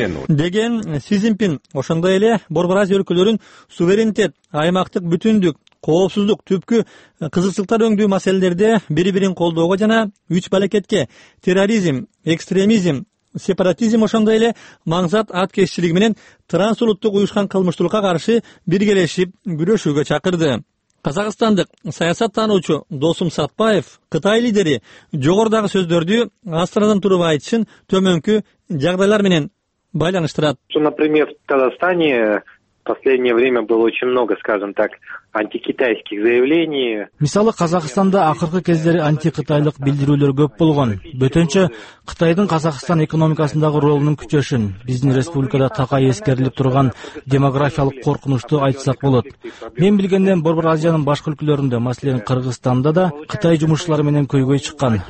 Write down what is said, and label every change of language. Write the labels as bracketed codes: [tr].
[ky] Деген Си Цзиньпин ошондой эле Борбор Азия өлкөлөрүн суверенитет, аймактык бүтүндүк, коопсуздук түпкү кызыкчылыктар өңдүү маселелерде бири бирин колдоого жана үч балекетке терроризм, экстремизм, сепаратизм ошондой эле маңзат аткезчилиги менен трансулуттук уюшкан кылмыштуулукка каршы биргелешип күрөшүүгө чакырды. Казакстандык саясат таануучу Досум Сатпаев Кытай лидери жогорудагы сөздөрдү астанадан туруп айтышын төмөнкү жагдайлар менен байланыштырат. [ru] Например, в Казахстане в последнее время было очень много, скажем так, антикитайских заявлений. [ky] Мисалы, Казахстанда акыркы кездери антикытайлык билдирүүлөр көп болгон. Бөтөнчө Кытайдын Казахстан экономикасындагы ролунун күчөшүн, биздин республикада такай эскерилип турган демографиялык коркунучту айтсак болот. Мен билгенден Борбор Азиянын башка өлкөлөрүндө, маселен Кыргызстанда да Кытай жумушчулары менен көйгөй чыккан.